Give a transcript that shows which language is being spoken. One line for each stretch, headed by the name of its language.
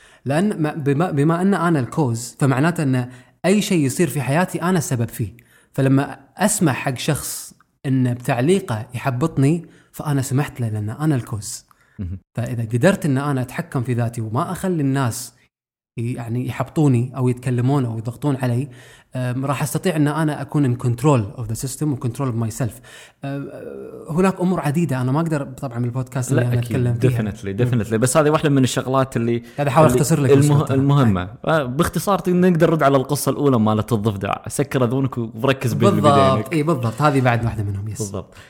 Arabic: لان بما ان انا الكوز فمعناته ان اي شيء يصير في حياتي انا السبب فيه. فلما اسمع حق شخص ان بتعليقه يحبطني فانا سمحت له لان انا الكوز. فإذا قدرت أن أنا أتحكم في ذاتي وما أخلي الناس يعني يحبطوني أو يتكلمون أو يضغطون علي راح استطيع ان انا اكون
English: in control of the system و control of myself.
Arabic: هناك امور عديده انا ما اقدر طبعا من البودكاست اللي أنا اتكلم فيها.
English: Definitely.
Arabic: بس هذه واحده من الشغلات اللي هذا حاول اختصر لك المهمه باختصار نقدر نرد على القصه الاولى مالت الضفدع. سكر اذونك وركز بالضبط. اي بالضبط هذه بعد واحده منهم. يس بالضبط.